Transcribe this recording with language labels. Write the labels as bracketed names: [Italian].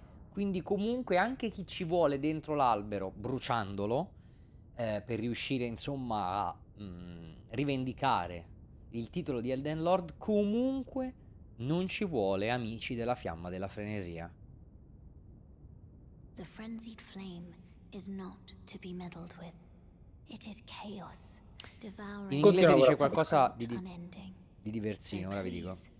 [Italian] Quindi comunque anche chi ci vuole dentro l'albero, bruciandolo, per riuscire insomma a rivendicare il titolo di Elden Lord, comunque non ci vuole amici della fiamma della frenesia. [English] The frenzied flame is not to be meddled with. It is chaos. [Italian] In inglese dice qualcosa di diversino, ora vi dico.